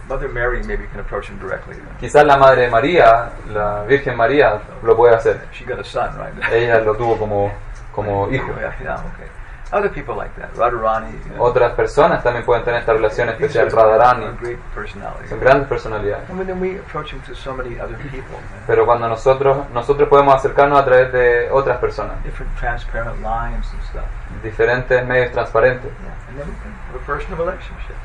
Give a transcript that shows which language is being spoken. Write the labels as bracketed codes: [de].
[en] Mother Mary maybe can approach him directly. [es] Quizás la Madre María, la Virgen María, lo puede hacer. [en] She got a son, right? [es] Ella lo tuvo como hijo. [en] Okay. Other people like that, Radharani. [es] Otras personas también pueden tener esta relación especial, Radharani. Son grandes personalidades. [en] And then we approach him to so many other people. [es] Pero cuando nosotros podemos acercarnos a través de otras personas. [en] Different transparent lines and stuff. [es] Diferentes medios transparentes. [en] Yeah. And then we can have a personal relationship.